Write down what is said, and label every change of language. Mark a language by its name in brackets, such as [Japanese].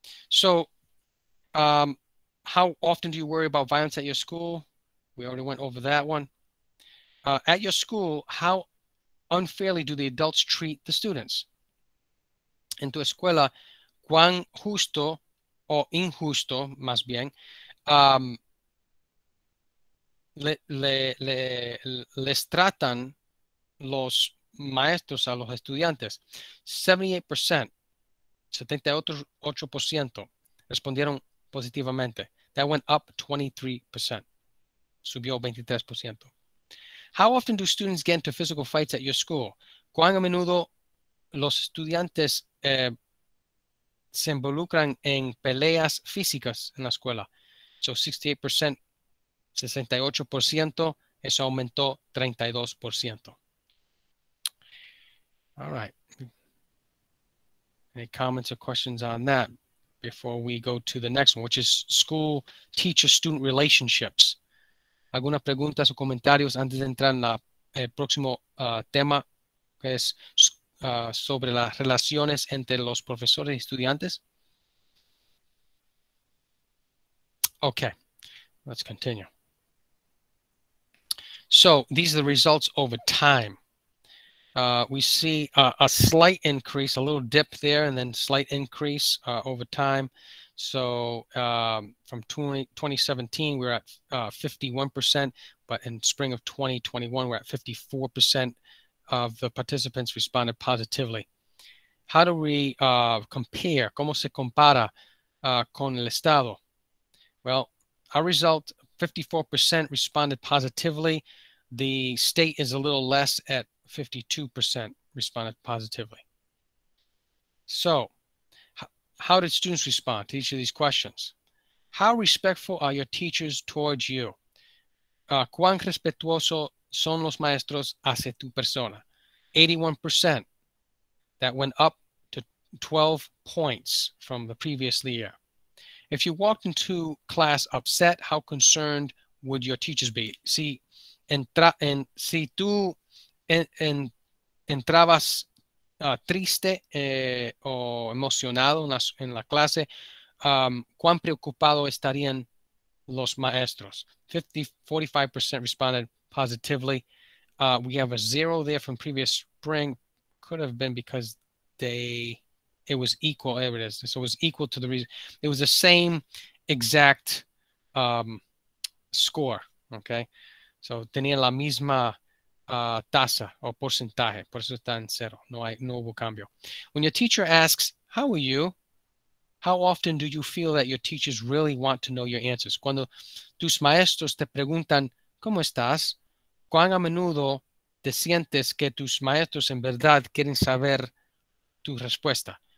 [English] So how often do you worry about violence at your school? We already went over that one. At your school, how unfairly do the adults treat the students? [Spanish] En tu escuela, ¿cuán justo o injusto, más bien, les tratan los maestros a los estudiantes? [English] 78%, 78% [Spanish] respondieron positivamente. [English] That went up 23%. [Spanish] Subió 23%. [English] How often do students get into physical fights at your school? [Spanish] ¿Cuán a menudo los estudiantes se involucran en peleas físicas en la escuela? So 68%, 68%, eso aumentó 32%. [English] All right. Any comments or questions on that before we go to the next one, which is school teacher student relationships? [Spanish] ¿Algunas preguntas o comentarios antes de entrar en el próximo tema, que es sobre las relaciones entre los profesores y estudiantes? [English] Okay, let's continue. So these are the results over time. We see a slight increase, a little dip there, and then slight increase over time. So from 2017, we're at 51%, but in spring of 2021, we're at 54% of the participants responded positively. How do we compare? [Spanish] ¿Cómo se compara con el estado? [English] Well, our result, 54% responded positively. The state is a little less at 52% responded positively. So, how did students respond to each of these questions? How respectful are your teachers towards you? [Spanish] ¿Cuán respetuoso son los maestros hacia tu persona? [English] 81%. That went up to 12 points from the previous year. If you walked into class upset, how concerned would your teachers be? [Spanish] Si tú entrabas triste o emocionado en la clase, ¿cuán preocupado estarían los maestros? [English] 45% responded positively. We have a zero there from previous spring. Could have been because it was equal. There it is. So it was equal to the reason. It was the same exact score. Okay. [Spanish] So tenía la misma tasa o porcentaje, por eso está en cero. No hubo cambio. [English] When your teacher asks, how are you? How often do you feel that your teachers really want to know your answers? [Spanish] Cuando tus maestros te preguntan, ¿cómo estás? ¿Cuán a menudo te sientes que tus maestros en verdad quieren saber tu respuesta?